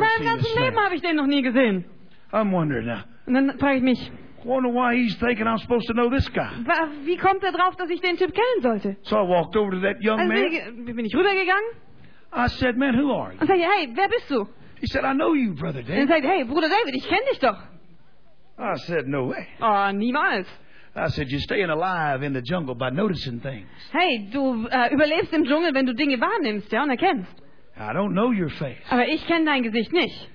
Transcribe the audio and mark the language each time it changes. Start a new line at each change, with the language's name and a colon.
German: In meinem ganzen Leben habe ich den noch nie gesehen.
English: I'm wondering now.
German: Und dann frage ich mich.
English: I wonder why he's thinking I'm supposed to know this guy.
German: Wie kommt er drauf, dass ich den Typ kennen sollte?
English: So I walked over to that young man.
German: Wie bin ich rübergegangen?
English: I said, man, who are you?
German: Und sagte, hey, wer bist du?
English: He said, I know you, Brother David.
German: Und sagte, hey, Bruder David, ich kenne dich doch.
English: I said, no way.
German: Oh, niemals.
English: I said, you're staying alive in the jungle by noticing things.
German: Hey, du überlebst im Dschungel, wenn du Dinge wahrnimmst, ja, und erkennst.
English: I don't know your face.
German: Aber ich kenne dein Gesicht nicht.